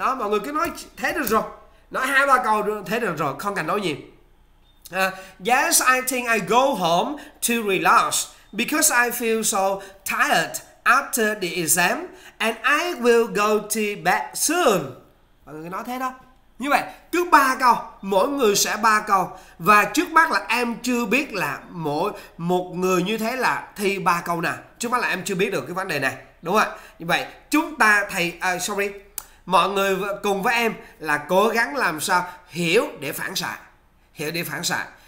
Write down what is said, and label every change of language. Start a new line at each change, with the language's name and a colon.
Vietnamese: Đó, mọi người cứ nói thế được rồi. Nói hai ba câu thế được rồi, không cần nói nhiều.
English: Yes, I think I go home to relax because I feel so tired after the exam and I will go to bed soon.
Vietnamese: Mọi người nói thế đó. Như vậy, cứ ba câu, mỗi người sẽ ba câu. Và trước mắt là em chưa biết là mỗi một người như thế là thi ba câu nào. Trước mắt là em chưa biết được cái vấn đề này, đúng không ạ? Như vậy, chúng ta thầy, mọi người cùng với em là cố gắng làm sao hiểu để phản xạ. Hiểu để phản xạ.